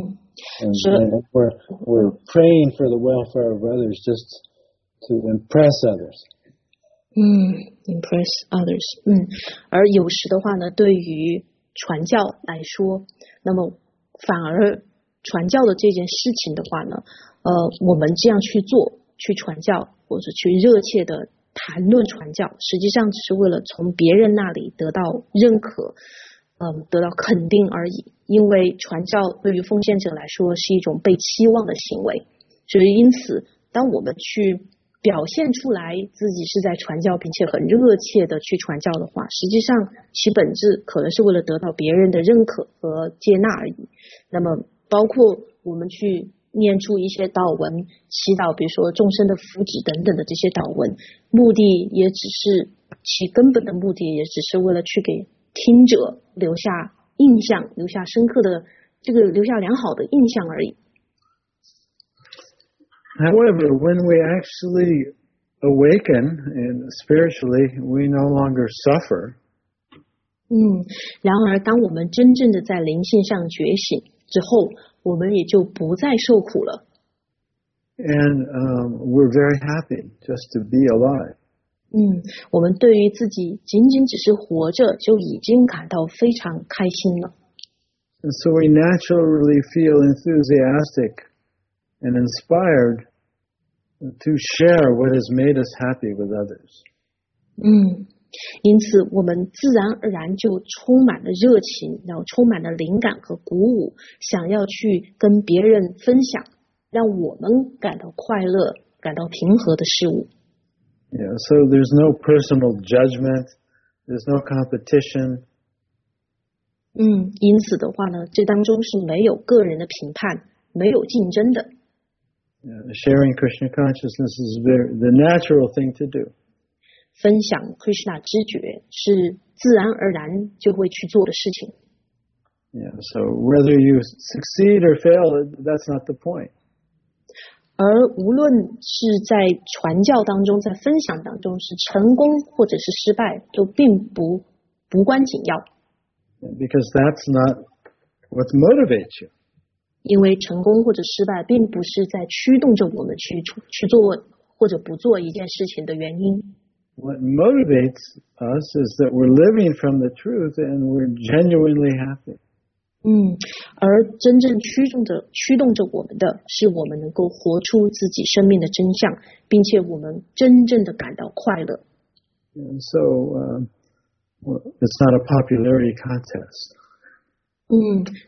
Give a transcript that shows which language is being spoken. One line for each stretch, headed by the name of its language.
English: We're praying for the welfare of others just to impress others. Impress others.
Chinese: 而有时的话呢，对于传教来说，那么反而传教的这件事情的话呢，我们这样去做，去传教，或者去热切的谈论传教，实际上只是为了从别人那里得到认可，得到肯定而已。因为传教对于奉献者来说是一种被期望的行为，所以因此，当我们去表现出来自己是在传教，并且很热切的去传教的话，实际上其本质可能是为了得到别人的认可和接纳而已。那么，包括我们去念出一些祷文祈祷，比如说众生的福祉等等的这些祷文，目的也只是其根本的目的也只是为了去给听者留下印象，留下深刻的这个留下良好的印象而已。
English: However, when we actually awaken and spiritually, we no longer suffer.
Chinese: 然而当我们真正的在灵性上觉醒之后，我们也就不再受苦了。
English: And we're very happy just to be alive.
Chinese: 我们对于自己仅仅只是活着就已经感到非常开心了。
English: And so we naturally feel enthusiastic and inspired to share what has made us happy with others.
Chinese: 因此我们自然而然就充满了热情，然后充满了灵感和鼓舞，想要去跟别人分享让我们感到快乐感到平和的事物。
English: Yeah, so there's no personal judgment, there's no competition.
Chinese: 因此的话呢，这当中是没有个人的评判，没有竞争的。
English: Yeah, sharing Krishna consciousness is the natural thing to do.
Chinese: 分享 Krishna 知觉是自然而然就会去做的事情。
English: Yeah, so whether you succeed or fail, that's not the point.
Chinese: 而无论是在传教当中，在分享当中，是成功或者是失败，都并不关紧要。
English: Because that's not what motivates you.
Chinese: 因为成功或者失败，并不是在驱动着我们去做或者不做一件事情的原因。
English: what motivates us is that we're living from the truth and we're genuinely happy.
Chinese: 而真正驱动着我们的是我们能够活出自己生命的真相，并且我们真正的感到快乐。
English: And so, it's not a popularity contest.